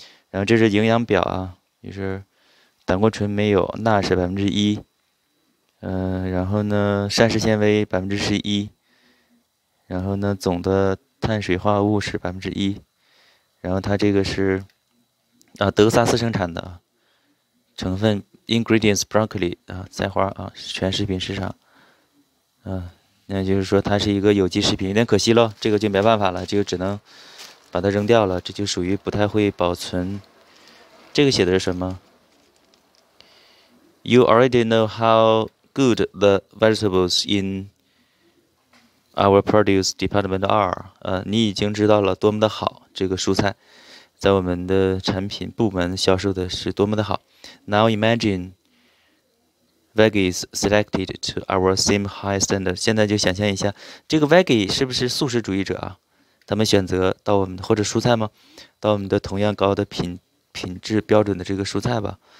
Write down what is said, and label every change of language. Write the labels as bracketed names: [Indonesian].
[Chinese] 然后这是营养表啊，就是胆固醇没有，钠是1%，然后呢，膳食纤维11%，然后呢，总的碳水化合物是1%，然后它这个是啊，德克萨斯生产的成分。 [English] Ingredients broccoli [Chinese] 啊，菜花啊，全食品市场，那就是说它是一个有机食品，有点可惜了，这个就没办法了，就只能把它扔掉了，这就属于不太会保存。这个写的是什么？ [English] You already know how good the vegetables in our produce department are。 [Chinese] 你已经知道了多么的好，这个蔬菜在我们的产品部门销售的是多么的好。 [English] Now imagine。 Veggies selected to our same high standard。 [Chinese] 现在就想象一下，这个 Veggie 是不是素食主义者啊？他们选择到我们或者蔬菜吗？到我们的同样高的品质标准的这个蔬菜吧。